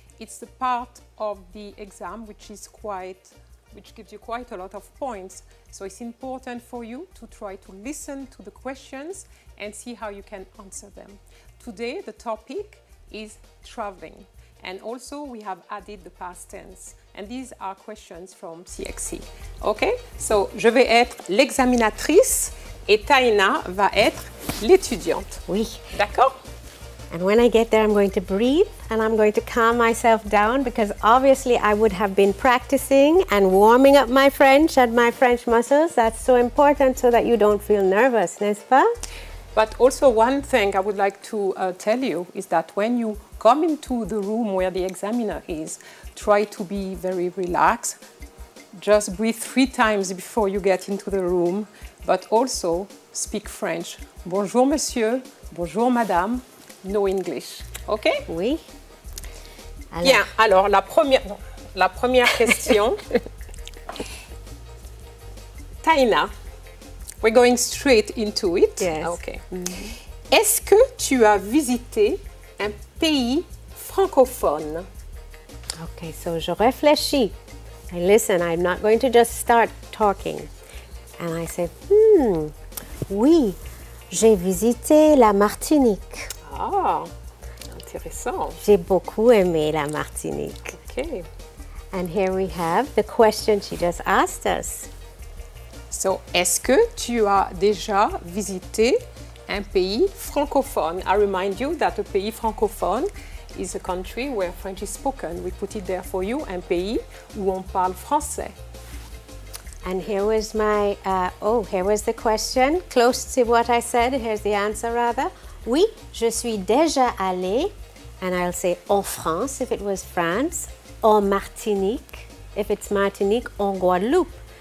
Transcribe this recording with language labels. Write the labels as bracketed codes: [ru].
[en] It's the part of the exam which gives you quite a lot of points. So it's important for you to try to listen to the questions and see how you can answer them. Today the topic is traveling. And also we have added the past tense. And these are questions from CSEC. [fr] Okay, so je vais être l'examinatrice et Taina va être l'étudiante. Oui. D'accord? [en] And when I get there, I'm going to breathe and I'm going to calm myself down because obviously I would have been practicing and warming up my French and my French muscles. That's so important so that you don't feel nervous, [fr] n'est-ce pas? [en] But also one thing I would like to tell you is that when you come into the room where the examiner is, try to be very relaxed. Just breathe 3 times before you get into the room, but also speak French. [fr] Bonjour, monsieur. Bonjour, madame. [en] No English, ok? [fr] Oui. Alors. Bien, alors la première question. [en] Taina, we're going straight into it. Yes. Ok. Mm-hmm. [fr] Est-ce que tu as visité un pays francophone? Ok, so je réfléchis. [en] I listen, I'm not going to just start talking. And I say, [fr] oui, j'ai visité la Martinique. Ah, intéressant. J'ai beaucoup aimé la Martinique. [en] Okay. And here we have the question she just asked us. [fr] So, est-ce que tu as déjà visité un pays francophone? [en] I remind you that a pays francophone is a country where French is spoken. We put it there for you, [fr] un pays où on parle français. [en] And here was my, here was the question, close to what I said, here's the answer rather. [fr] Oui, je suis déjà allée, [en] and I'll say en France if it was France, en Martinique if it's Martinique, en Guadeloupe.